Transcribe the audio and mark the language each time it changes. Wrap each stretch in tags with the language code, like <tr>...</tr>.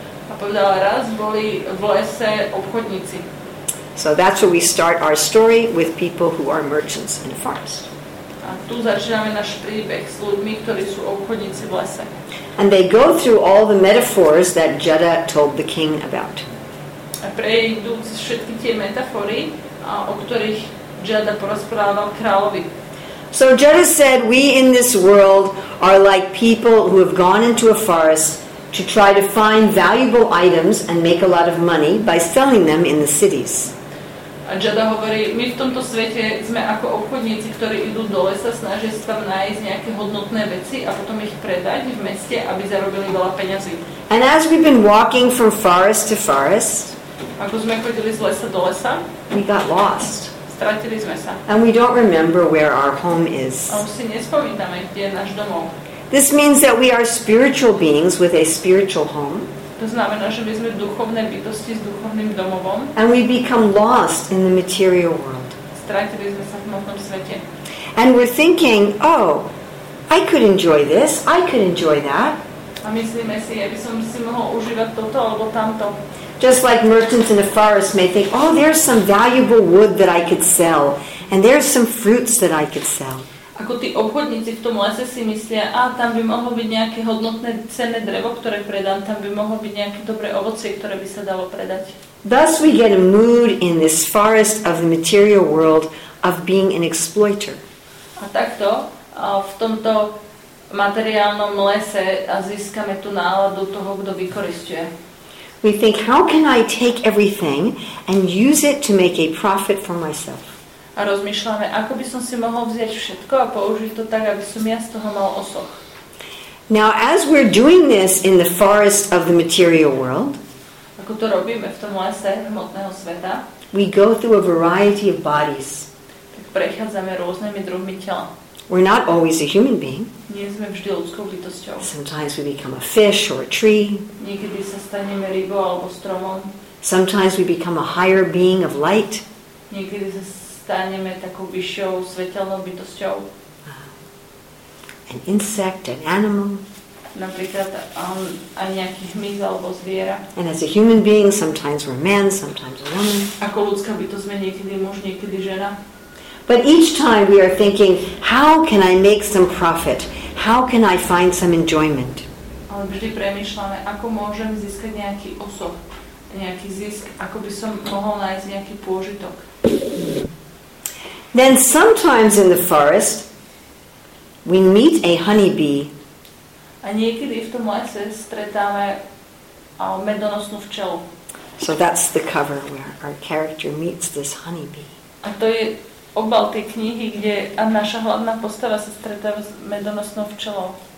<sk>A povedal, raz boli v lese obchodníci.</sk> <en>So that's where we start our story with people who are merchants in a forest.</en> <sk>A tu začíname náš príbeh s ľuďmi, ktorí sú obchodníci v lese.</sk> <en>And they go through all the metaphors that Jada told the king about.</en> <sk>A prejdú všetky tie metafory, o ktorých Jada porozprával kráľovi.</sk> <en>So Jada said, we in this world are like people who have gone into a forest to try to find valuable items and make a lot of money by selling them in the cities.</en> <sk>A Jada hovorí, my v tomto svete sme ako obchodníci, ktorí idú do lesa, snažia sa tam nájsť nejaké hodnotné veci a potom ich predať v meste, aby zarobili veľa peňazí.</sk> <en>And as we've been walking from forest to forest,</en> <sk>ako sme chodili z lesa do lesa,</sk> <en>we got lost.</en> <sk>Stratili sme sa.</sk> <en>And we don't remember where our home is.</en> <sk>A už si nespomíname, kde je náš domov.</sk> <en>This means that we are spiritual beings with a spiritual home.</en> <sk>To znamená, že my sme duchovné bytosti s duchovným domovom.</sk> <en>And we become lost in the material world.</en> <sk>Stratili sme sa v hmotnom svete.</sk> <en>And we're thinking, oh, I could enjoy this, I could enjoy that.</en> <sk>A myslíme si, aby som si mohol užívať toto alebo tamto.</sk> <en>Just like merchants in a forest may think, oh, there's some valuable wood that I could sell, and there's some fruits that I could sell.</en> <sk>Ako tí obchodníci v tom lese si myslia, a tam by mohlo byť nejaké hodnotné cenné drevo, ktoré predám, tam by mohlo byť nejaké dobré ovocie, ktoré by sa dalo predať.</sk> <en>Thus we get a mood in this forest of the material world of being an exploiter.</en> <sk>A takto v tomto materiálnom lese získame tú náladu toho, kto vykoristuje.</sk> <en>We think, how can I take everything and use it to make a profit for myself?</en> <sk>A rozmýšľame, ako by som si mohol vziať všetko a použiť to tak, aby som ja z toho mal osoch.</sk> <en>Now, as we're doing this in the forest of the material world,</en> <sk>ako to robíme v tom lese hmotného sveta,</sk> <en>we go through a variety of bodies.</en> <sk>Tak prechádzame rôznymi druhmi tela.</sk> <en>We're not always a human being.</en> <sk>Nie sme vždy ľudskou bytosťou.</sk> <en>Sometimes we become a fish or a tree.</en> <sk>Niekedy sa staneme rybou alebo stromom.</sk> <en>Sometimes we become a higher being of light.</en> <sk>Niekedy sa staneme takou vyššou svetelnou bytosťou.</sk> <en>An insect, an animal.</en> <sk>Napríklad aj nejaký hmyz alebo zviera.</sk> <en>And as a human being, sometimes we're a man, sometimes a woman.</en> <sk>Ako ľudská bytosť sme niekedy muž, niekedy žena.</sk> <en>But each time we are thinking, how can I make some profit? How can I find some enjoyment?</en> <sk>Ale vždy premýšľame, ako môžem získať nejaký osoch, nejaký zisk, ako by som mohol nájsť nejaký pôžitok.</sk> <en>Then sometimes in the forest, we meet a honeybee.</en> <sk>A niekedy v tom lese stretáme medonosnú včelu.</sk> <en>So that's the cover where our character meets this honeybee.</en> <sk>A to je obal tej knihy, kde naša hlavná postava sa stretáva s medonosnou včelou.</sk>